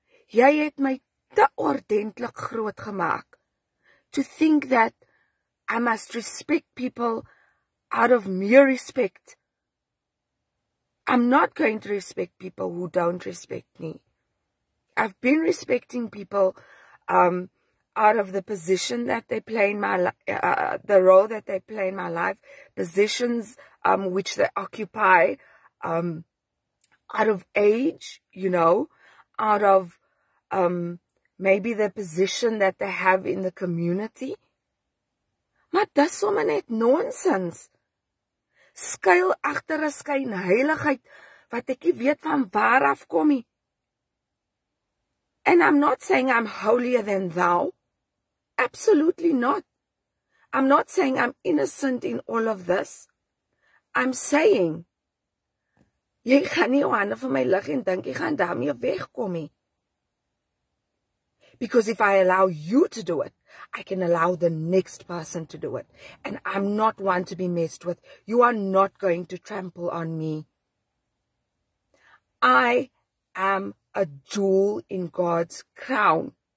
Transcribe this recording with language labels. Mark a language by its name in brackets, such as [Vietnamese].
[Afrikaans] Jy het my te ordentlik groot gemaak. [English] To think that I must respect people out of mere respect. I'm not going to respect people who don't respect me. I've been respecting people out of the position that they play in my the role that they play in my life, positions which they occupy, out of age, you know, out of maybe the position that they have in the community. [Afrikaans] Maar dis sommer net nonsense. Skuil agter 'n skynheiligheid wat ek nie weet van waar af kom nie. [English] And I'm not saying I'm holier than thou. Absolutely not. I'm not saying I'm innocent in all of this. I'm saying, [Afrikaans] jy gaan nie jou hande van my lig en dink jy gaan daarmee wegkom nie. [English] Because if I allow you to do it, I can allow the next person to do it. And I'm not one to be messed with. You are not going to trample on me. I am a jewel in God's crown.